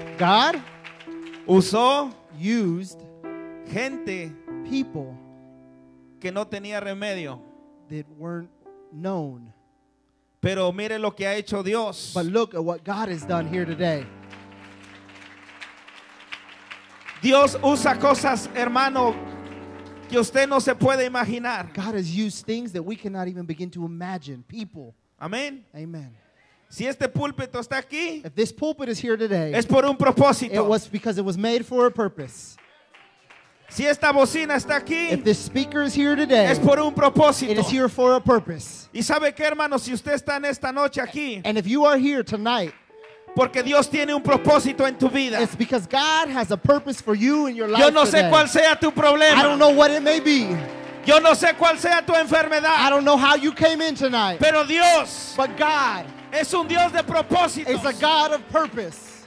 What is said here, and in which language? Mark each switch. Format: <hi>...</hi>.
<en>God.</en> <es>Usó.</es> <en>Used.</en> <es>Gente.</es> <en>People.</en> <es>Que no tenía remedio.</es> <en>That weren't known.</en> <es>Pero mire lo que ha hecho Dios.</es> <en>But look at what God has done here today.</en> <es>Dios usa cosas, hermano, que usted no se puede imaginar.</es> <en>God has used things that we cannot even begin to imagine. People.</en> <es>Amén.</es> <en>Amen.</en> <es>Si este púlpito está aquí,</es> <en>if this pulpit is here today,</en> <es>es por un propósito.</es> <en>It was because it was made for a purpose.</en> <es>Si esta bocina está aquí,</es> <en>if this speaker is here today,</en> <es>es por un propósito.</es> <en>It is here for a purpose.</en> <es>Y sabe qué, hermano, si usted está en esta noche aquí,</es> <en>and if you are here tonight,</en> <es>porque Dios tiene un propósito en tu vida.</es> <en>It's because God has a purpose for you in your life.</en> <es>Yo no sé</es> <en>today.</en> <es>Cuál sea tu problema.</es> <en>I don't know what it may be.</en> <es>Yo no sé cuál sea tu enfermedad.</es> <en>I don't know how you came in tonight.</en> <es>Pero Dios,</es> <en>but God,</en> <es>es un Dios de propósitos.</es> <en>Is a God of purpose.</en>